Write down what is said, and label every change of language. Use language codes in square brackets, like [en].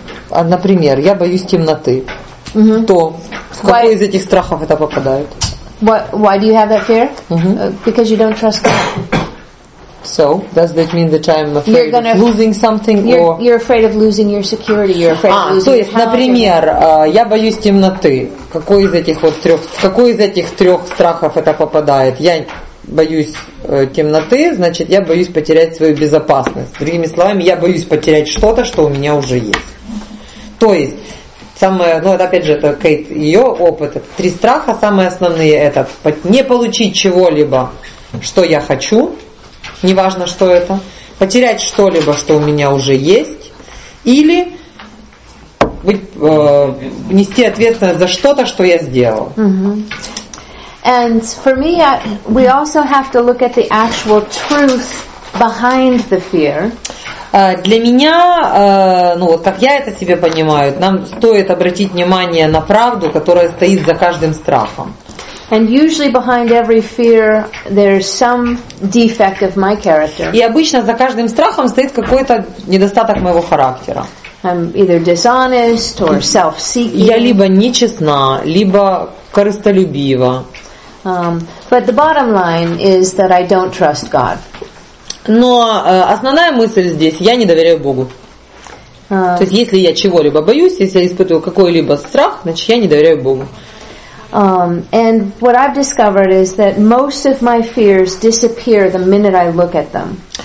[ru] Например, я боюсь темноты. То в какой из этих страхов это попадает? [en] Why do you have that fear? Because you don't trust God. So does that mean that I'm afraid of losing something, or you're afraid of losing your security? You're afraid of losing. [ru] То есть, например, я боюсь темноты. Какой из этих вот трех, в какой из этих трех страхов это попадает? Я боюсь темноты, значит, я боюсь потерять свою безопасность. Другими словами, я боюсь потерять что-то, что у меня уже есть. То есть, самое, ну это опять же это Кейт, ее опыт. Три страха самые основные – это не получить чего-либо, что я хочу. Неважно, что это. Потерять что-либо, что у меня уже есть. Или нести ответственность за что-то, что я сделал. [en] And for me, we also have to look at the actual truth behind the fear. [ru] Для меня, ну вот как я это себе понимаю, нам стоит обратить внимание на правду, которая стоит за каждым страхом. [en] And usually behind every fear there's some defect of my character. [ru] И обычно за каждым страхом стоит какой-то недостаток моего характера. [en] I'm either dishonest or self-seeking. [ru] Я либо нечестна, либо корыстолюбива. [en] But the bottom line is that I don't trust God. [ru] Но основная мысль здесь – я не доверяю Богу. То есть если я чего-либо боюсь, если я испытываю какой-либо страх, значит я не доверяю Богу. [en] And what I've discovered is that most of my fears disappear the minute I look at them.